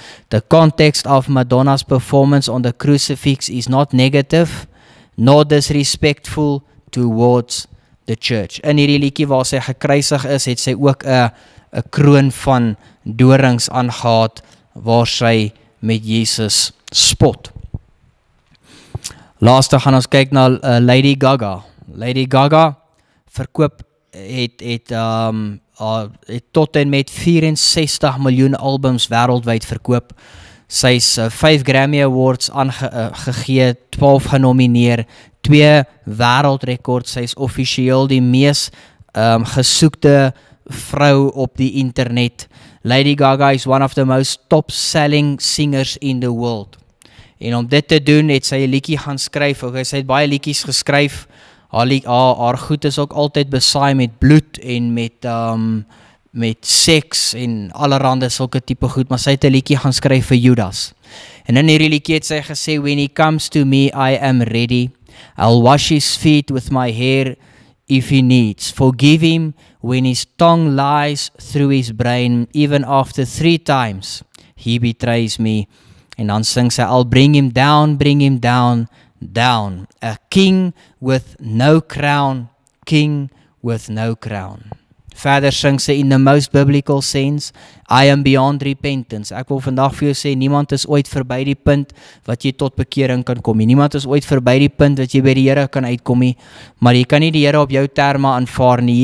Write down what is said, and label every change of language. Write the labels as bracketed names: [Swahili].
[English] The context of Madonna's performance on the crucifix is not negative, nor disrespectful towards the church. [Afrikaans] In hierdie liedjie waar sy gekruisig is, het sy ook 'n kroon van dorings aangehad waar sy met Jesus spot. Laaste gaan ons kyk na Lady Gaga. Lady Gaga het tot en met 64 miljoen albums wereldwyd verkoop. Sy is 5 Grammy Awards aangegee, 12 genomineer, 2 wêreldrekords. Sy is officieel die mees gesoekte vrou op die internet. [English] Lady Gaga is one of the most top-selling singers in the world. [Afrikaans] En om dit te doen, het sy 'n liedjie gaan skryf. Okay, sy het baie liedjies geskryf. Haar goed is ook altyd besaai met bloed en met seks en allerhande sulke tipe goed, maar sy het 'n liedjie gaan skryf vir Judas. En in hierdie liedjie het sy gesê, [English] when he comes to me, I am ready. I'll wash his feet with my hair if he needs. Forgive him when his tongue lies through his brain, even after 3 times he betrays me. [Afrikaans] En dan sing sy, [English] I'll bring him down, down, a king with no crown, king with no crown. [Afrikaans] Verder sing sy, [English] in the most biblical sense, I am beyond repentance. [Afrikaans] Ek wil vandag vir jou sê, niemand is ooit verby die punt wat jy tot bekering kan kom nie. Niemand is ooit verby die punt wat jy by die Here kan uitkom nie. Maar jy kan nie die Here op jou terme aanvaar nie.